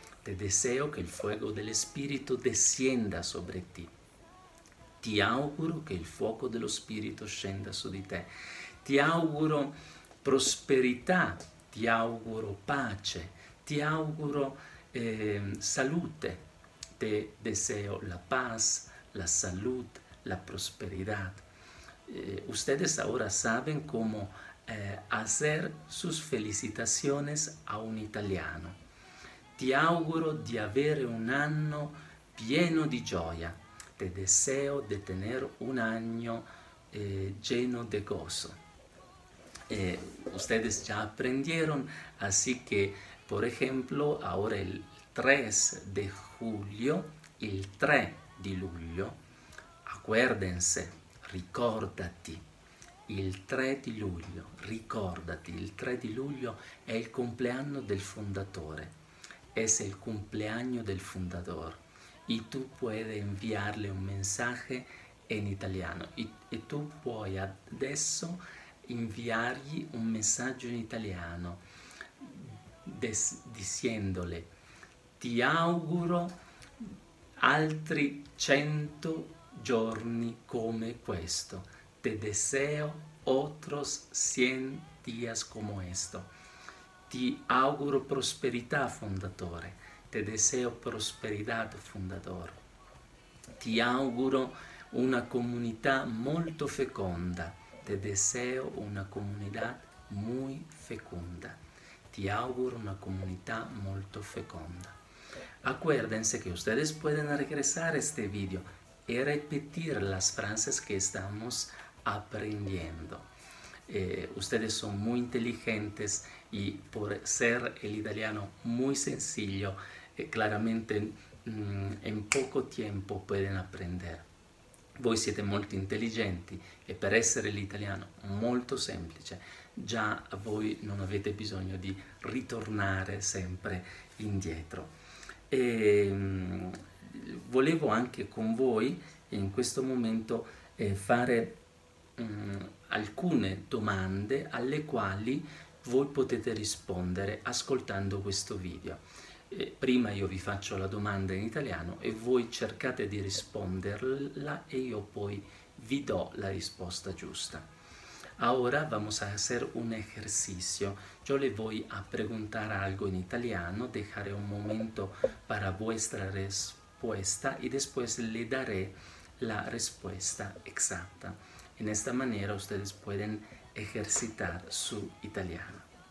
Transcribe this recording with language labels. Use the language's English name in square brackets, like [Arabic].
[Spanish] Te deseo [Italian] che il fuoco dello Spirito [Spanish] descienda sobre ti. [Italian] Ti auguro che il fuoco dello Spirito scenda su di te. Ti auguro prosperità, ti auguro pace, ti auguro salute. [Spanish] Te deseo la paz, la salud, la prosperidad. Ustedes ahora saben cómo hacer sus felicitaciones a un italiano. [Italian] Ti auguro di avere un anno pieno di gioia. [Spanish] Te deseo de tener un año lleno de gozo. Ustedes ya aprendieron, así que, por ejemplo, ahora el 3 de julio, [Italian] il 3 di luglio, acuérdense, ricordati, il 3 di luglio, ricordati, il 3 di luglio è il compleanno del fondatore, [Spanish] es el cumpleaños del fundador, y tú puedes enviarle un mensaje en italiano, y tú [Italian] puoi adesso enviargli un messaggio in italiano, [Spanish] diciéndole: [Italian] ti auguro altri 100 giorni come questo. [Spanish] Te deseo otros 100 días como esto. [Italian] Ti auguro prosperità, fondatore. [Spanish] Te deseo prosperidad, fundador. [Italian] Ti auguro una comunità molto feconda. [Spanish] Te deseo una comunidad muy fecunda. [Italian] Ti auguro una comunità molto feconda. [Spanish] Acuérdense que ustedes pueden regresar a este video y repetir las frases que estamos aprendiendo. Ustedes son muy inteligentes y por ser el italiano muy sencillo, claramente en poco tiempo pueden aprender. [Italian] Voi siete molto intelligenti e per essere l'italiano molto semplice, già voi non avete bisogno di ritornare sempre indietro. E volevo anche con voi in questo momento fare alcune domande alle quali voi potete rispondere ascoltando questo video. Prima io vi faccio la domanda in italiano e voi cercate di risponderla e io poi vi do la risposta giusta. [Spanish] Ahora vamos a hacer un ejercicio. Yo le voy a preguntar algo en italiano, dejaré un momento para vuestra respuesta y después le daré la respuesta exacta. En esta manera ustedes pueden ejercitar su italiano.